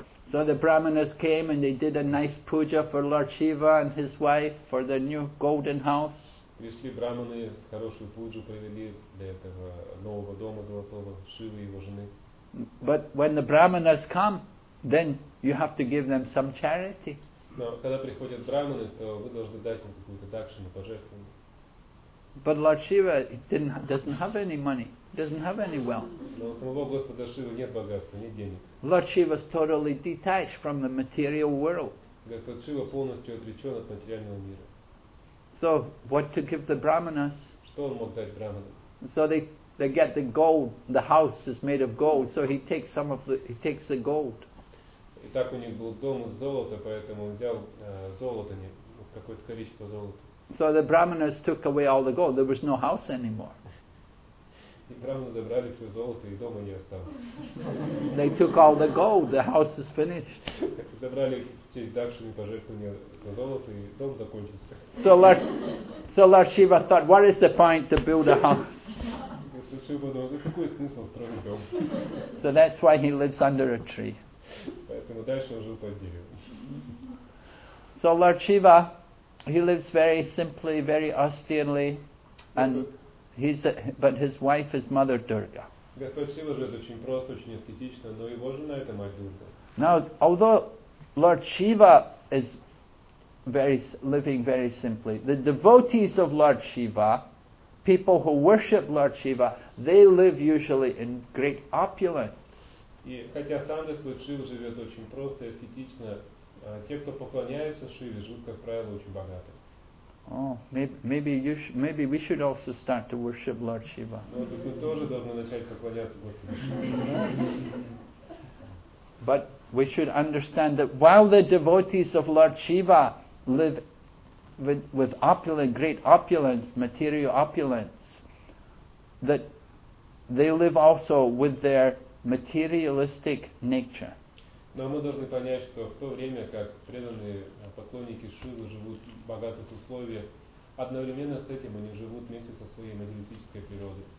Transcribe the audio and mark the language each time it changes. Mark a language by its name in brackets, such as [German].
[English] So the brahmanas came and they did a nice puja for Lord Shiva and his wife for their new golden house. [Russian] Пришли брахманы, с хорошую пуджу провели для этого нового дома золотого, Шивы и его жены. [English] But when the brahmanas come, then you have to give them some charity. [Russian] Но когда приходят брахманы, то вы должны дать им какую-то дакшину, пожертвование. [English] But Lord Shiva doesn't have any money, doesn't have any wealth. [Russian] Но у самого Господа Шивы нет богатства, нет денег. [English] Lord Shiva is totally detached from the material world. [Russian] Господь Шива полностью отречен от материального мира. [English] So what to give the brahmanas? [Russian] Что он мог дать брахманам? [English] So they get the gold. The house is made of gold, so he takes some of the he takes the gold. [Russian] И так у них был дом из золота, поэтому он взял золото, не какое-то количество золота. [English] So the brahmanas took away all the gold. There was no house anymore. [Russian] И брахманы забрали все золото, и дома не осталось. [English] They took all the gold. The house is finished. [Russian] Забрали все дакшины, пожертвования на золото, и дом закончился. [English] So Lord Shiva thought, what is the point to build a house? [Russian] Какой смысл строить дом? [English] So that's why he lives under a tree. [Russian] Поэтому дальше он жил под деревом. [English] So Lord Shiva, he lives very simply, very austerely, and but his wife is Mother Durga. [Russian] Господь Шива живет очень просто, очень аскетично, но его жена это мать Дурга. [English] Now, although Lord Shiva is living very simply, the devotees of Lord Shiva, people who worship Lord Shiva, they live usually in great opulence. [Russian] И хотя сам Господь Шива живет очень просто и аскетично, те, кто поклоняются Шиве, живут, как правило, очень богато. [English] Maybe we should also start to worship Lord Shiva. [Russian] Но мы тоже должны начать поклоняться Господу Шиве. [English] But we should understand that while the devotees of Lord Shiva live with opulent, great opulence, material opulence, that they live also with their materialistic nature. [Russian] Но мы должны понять, что в то время, как преданные поклонники Шивы живут в богатых условиях, одновременно с этим они живут вместе со своей материалистической природой.